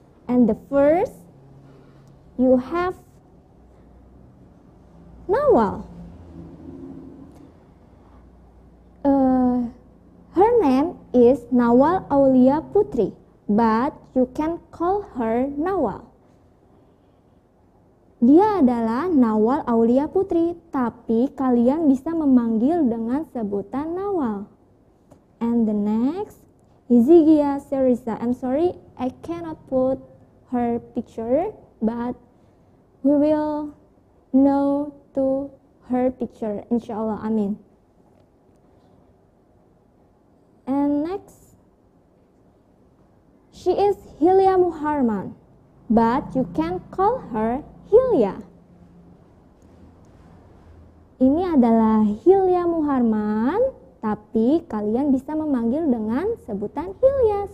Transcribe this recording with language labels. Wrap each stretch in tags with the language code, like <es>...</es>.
<en>And the first, you have Nawal. Her name is Nawal Aulia Putri, but you can call her Nawal.</en> <id>Dia adalah Nawal Aulia Putri, tapi kalian bisa memanggil dengan sebutan Nawal.</id> <en>And the next, Izigia Serisa. I'm sorry, I cannot put her picture, but we will know to her picture, inshallah, amin. And next, she is Hilya Muharman, but you can call her Hilya.</en> <id>Ini adalah Hilya Muharman, tapi kalian bisa memanggil dengan sebutan Hilya.</id>